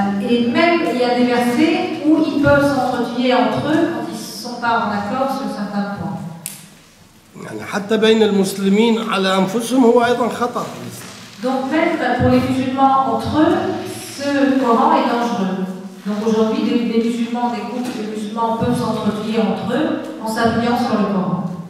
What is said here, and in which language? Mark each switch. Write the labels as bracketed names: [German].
[French] Et même il y a des versets où ils peuvent s'entretuer entre eux quand ils ne sont pas en accord sur certains points. [Arabic] يعني حتى بين المسلمين على أنفسهم هو أيضا خطر. [French] Donc même pour les musulmans entre eux, ce Coran est dangereux. Donc aujourd'hui, des musulmans, des groupes de musulmans peuvent s'entretuer entre eux en s'appuyant sur le Coran.